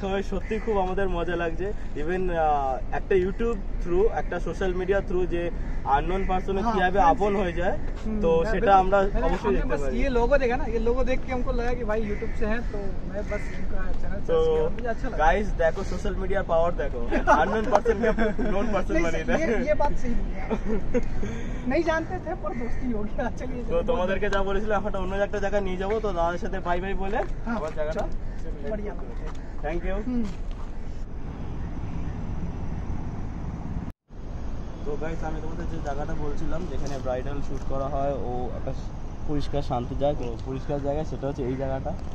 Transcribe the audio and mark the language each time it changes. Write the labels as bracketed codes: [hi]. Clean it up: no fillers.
[bn] সত্যি খুব আমাদের মজা লাগছে, ইভেন একটা ইউটিউব থ্রু, একটা সোশ্যাল মিডিয়া থ্রু, যে আননোন পার্সনে কিভাবে আপন হয়ে যায়, তো সেটা আমরা অবশ্যই দেখতে পারি। [hi] ये लोगो देखा ना, ये लोगो देख के हमको लगा कि भाई यूट्यूब से है, तो मैं बस इनका चैनल सर्च किया, मुझे अच्छा लगा। गाइस देखो सोशल मीडिया पावर, देखो अननोन पर्सन में नोन पर्सन बने, ये बात सही है, नहीं जानते थे पर दोस्ती हो गया। चलिए [bn] तो তোমাদের কে যা বলেছিল হঠাৎ অন্য একটা জায়গা নিয়ে যাব, তো দাদার সাথে বাই বাই বলে আমার জায়গাটা [hi] বড়িয়া [bn] করে, থ্যাংক ইউ। তো গাইস আমি তোমাদের যে জায়গাটা বলছিলাম যেখানে ব্রাইডাল শুট করা হয়, ও আকাশ পরিষ্কার শান্ত জায়গা, পরিষ্কার জায়গা, সেটা হচ্ছে এই জায়গাটা।